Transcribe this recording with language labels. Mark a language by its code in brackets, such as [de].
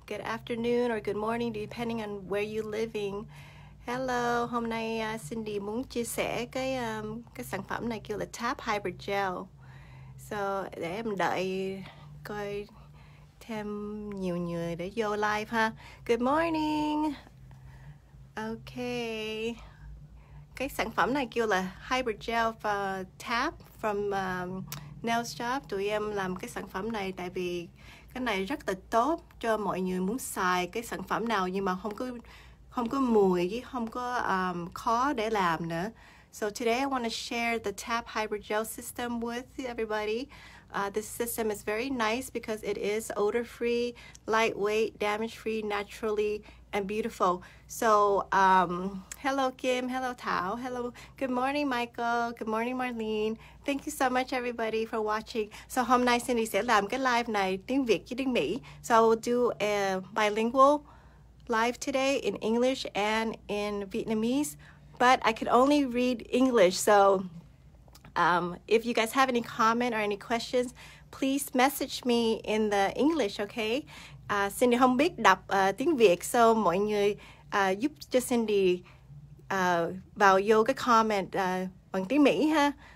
[en] Good afternoon or good morning, depending on where you're living. [vi] Hello, hôm nay Cindy muốn chia sẻ cái sản phẩm này kêu là Tap Hydrogel. So, để em đợi coi thêm nhiều người để vô live ha. [en] Good morning. Okay. [vi] Cái sản phẩm này kêu là Hydrogel Tap [en] from nail shop. [vi] Tụi em làm cái sản phẩm này tại vì cái này rất là tốt cho mọi người muốn xài cái sản phẩm nào nhưng mà không có mùi chứ không có khó để làm nữa. [en] So today I want to share the Tap Hydrogel system with everybody. This system is very nice because it is odor free, lightweight, damage free, naturally and beautiful. So hello Kim, hello Tao, hello, good morning Michael, good morning Marlene. Thank you so much everybody for watching. [vi] So hôm nay Cindy sẽ làm cái live này tiếng Việt với tiếng Mỹ. [en] So I will do a bilingual live today in English and in Vietnamese, but I could only read English. So if you guys have any comment or any questions, please message me in the English, okay? [vi] Cindy không biết đọc tiếng Việt, so mọi người giúp cho Cindy vào vô cái comment bằng tiếng Mỹ ha.